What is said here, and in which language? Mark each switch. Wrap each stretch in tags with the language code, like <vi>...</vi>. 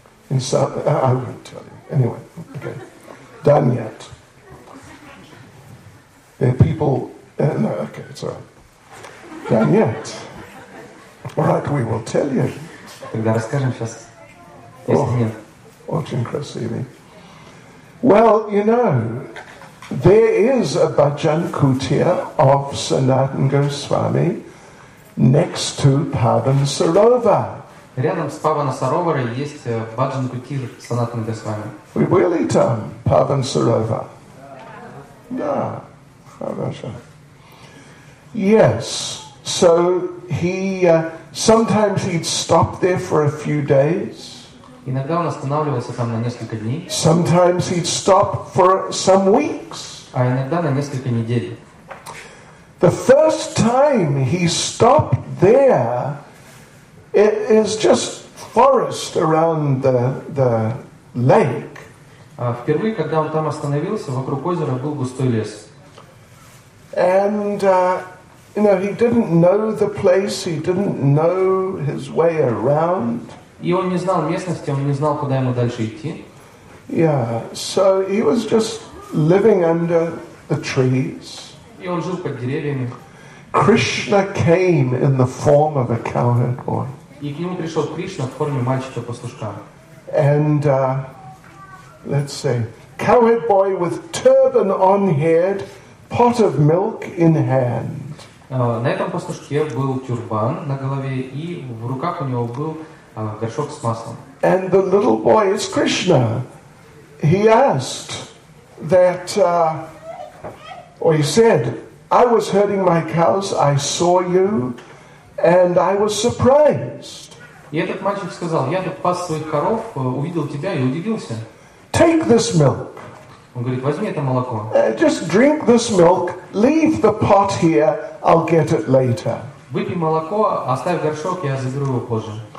<en>In some, I won't tell you. Anyway, okay. Done yet. There are people... no, okay, it's all right. Done yet. All right, we will tell you.</en> <ru>Тогда расскажем сейчас, если нет. Очень красивый.</ru> <en>Well, you know, there is a bhajan kutia of Sanatan Goswami next to Pavan Sarovar.</en> <ru>Рядом с Павана Саровара есть Баджан Кутир с Санатан Госвами.</ru> <en>We will eat them, Павана Сарова.</en> <ru>Да, хорошо.</ru> <en>Yes, so he, sometimes he'd stop there for a few days.</en> <ru>Иногда он останавливался там на несколько дней.</ru> <en>Sometimes he'd stop for some weeks.</en> <ru>А иногда на несколько недель.</ru> <en>The first time he stopped there, it is just forest around the lake.</en> <ru>Впервые, когда он там остановился, вокруг озера был густой лес.</ru> <en>And you know, he didn't know the place, he didn't know his way around.</en> <ru>И он не знал местности, он не знал, куда ему дальше идти.</ru> <en>Yeah, so he was just living under the trees.</en> <ru>И он жил под деревьями.</ru> <en>Krishna came in the form of a cowherd boy.</en> <ru>И к нему пришел Кришна в форме мальчика-пастушка.</ru> <en>And, let's say, cowherd boy with turban on head, pot of milk in hand.</en> <ru>На этом пастушке был тюрбан на голове, и в руках у него был горшок с маслом.</ru> <en>And the little boy is Krishna. He asked that, or he said, I was herding my cows, I saw you. And I was surprised.</en> <ru>И этот мальчик сказал: я тут пас своих коров, увидел тебя и удивился.</ru> <en>Take this milk.</en> <ru>Он говорит: возьми это молоко.</ru> <en>Just drink this milk. Leave the pot here. I'll get it later.</en> <ru>Выпей молоко, оставь горшок, я заберу его позже.</ru>